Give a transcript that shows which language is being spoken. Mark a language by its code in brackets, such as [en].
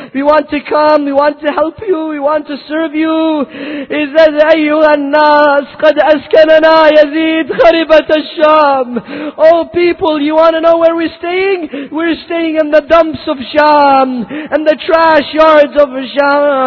[en] We want to come, we want to help you, we want to serve you. He says, [ar] أيها الناس قد أسكننا يزيد خريبة الشام. [en] Oh people, you want to know where we're staying? We're staying in the dumps of Sham, in the trash yards of Sham.